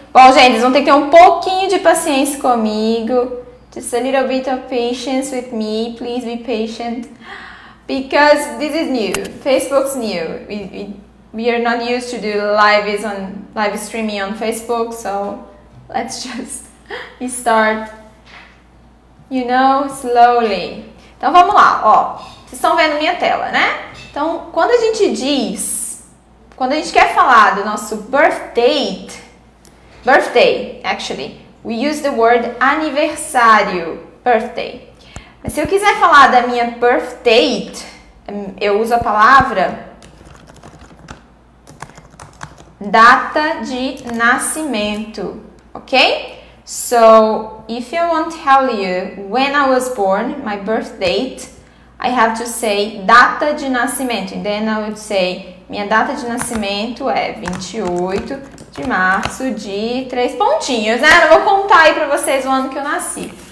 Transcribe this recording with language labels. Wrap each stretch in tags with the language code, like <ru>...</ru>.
<pt>Bom, gente, vocês vão ter que ter um pouquinho de paciência comigo.</pt> <en>Just a little bit of patience with me. Please be patient. Because this is new. Facebook's new. We are not used to do live streaming on Facebook. So let's just start, you know, slowly.</en> <pt>Então vamos lá, ó. Vocês estão vendo minha tela, né? Então, quando a gente diz, quando a gente quer falar do nosso birth date...</pt> <en>Birthday, actually. We use the word aniversário, birthday.</en> <pt>Mas se eu quiser falar da minha birth date, eu uso a palavra data de nascimento, ok?</pt> <en>So, if I won't tell you when I was born, my birth date, I have to say</en> <pt>data de nascimento.</pt> <en>And then I would say,</en> <pt>minha data de nascimento é 28 de março de 3 pontinhos, né? Eu vou contar aí pra vocês o ano que eu nasci.</pt>